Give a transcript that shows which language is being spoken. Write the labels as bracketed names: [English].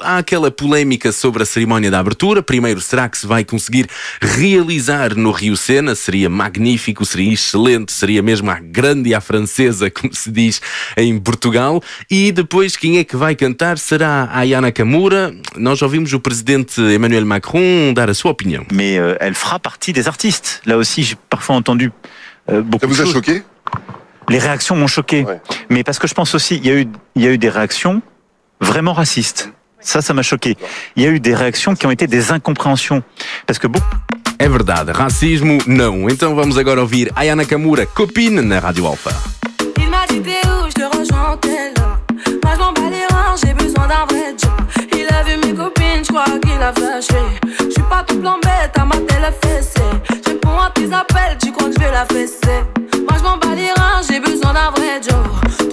[Portuguese] Há aquela polémica sobre a cerimónia da abertura. Primeiro, será que se vai conseguir realizar no Rio Sena? Seria magnífico, seria excelente, seria mesmo a grande e a francesa, como se diz em Portugal. E depois, quem é que vai cantar? Será a Ayana Kamura? Nós ouvimos o presidente Emmanuel Macron dar a sua opinião. Mas ela fará parte dos artistas. [French] Lá aussi, j'ai parfois entendu beaucoup. Vous a choqué? Les réactions m'ont choqué. Mas ouais. Parce que je pense aussi, il y a eu des réactions vraiment racistes. Ça m'a choqué. Il y a eu des réactions qui ont été des incompréhensions. Parce que beaucoup. [Portuguese] É verdade, racismo não. Então vamos agora ouvir Ayana Kamura, Copine, na Rádio Alfa. [French] Il m'a dit t'es où, je te rejoins, t'es là. Moi je m'en bats les reins, j'ai besoin besoin d'un vrai job. Il a vu mes copines, je crois qu'il a flashé. J'suis pas tout blanc bête, t'as ma télé fessée. J'réponds à tes appels, tu crois que j'vais la fesser. Moi j'm'en bats les reins, j'ai besoin d'un vrai job.